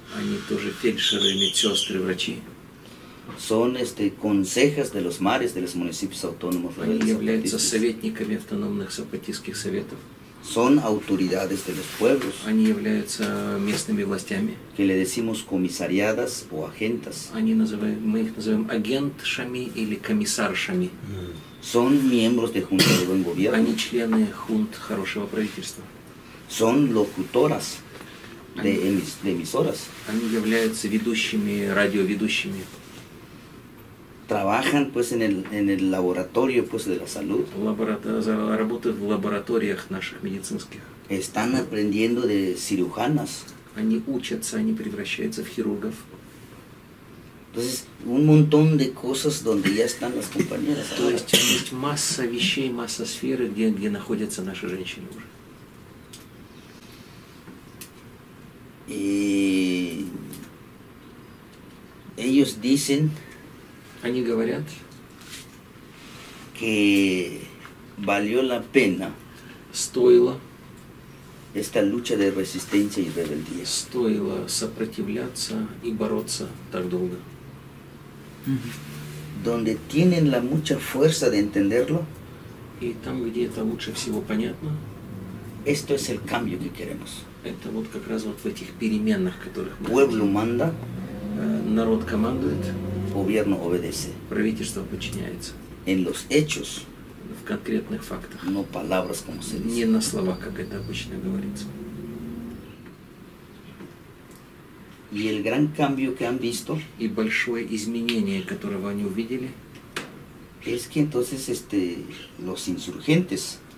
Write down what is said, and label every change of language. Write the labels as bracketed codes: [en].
[ru] Они тоже фельдшеры, медсестры, врачи. [es] Son consejas de los mares, de los municipios autónomos. [ru] Они являются советниками автономных сапатистских советов. [es] Son autoridades de los pueblos. [ru] Они являются местными властями. [es] Que le decimos comisariadas o agentas. [ru] Они называем, мы их называем агентшами или комиссаршами. [es] Son miembros de junta de buen gobierno. [ru] Они члены хунт хорошего правительства. [es] Son locutoras de emisoras. [ru] Они являются ведущими, радиоведущими. [es] Trabajan pues en el laboratorio pues de la salud. [ru] Работают в лабораториях наших медицинских. [es] Están aprendiendo de cirujanas. [ru] Они учатся, они превращаются в хирургов. [es] Entonces, un montón de cosas donde ya están las compañeras. [ru] То есть, есть масса вещей, масса сфер, где находятся наши женщины уже. [es] И ellos dicen, [ru] они говорят, [es] que valió la pena, [ru] стоило [es] esta lucha de resistencia y rebeldía, [ru] стоило сопротивляться и бороться так долго. [es] Donde tienen la mucha fuerza de entenderlo, [ru] и там, где это лучше всего понятно, [es] esto es el cambio que queremos. [ru] Это вот как раз вот в этих переменах, которых мы [es] pueblo manda, [ru] народ командует. [es] Gobierno obedece. [ru] Правительство подчиняется. [es] En los hechos. [ru] В конкретных фактах. [es] No palabras, como se dice. [ru] Не на словах, как это обычно говорится. [es] Y el gran cambio que han visto, [ru] и большое изменение, которого они увидели, [es] es que entonces los insurgentes,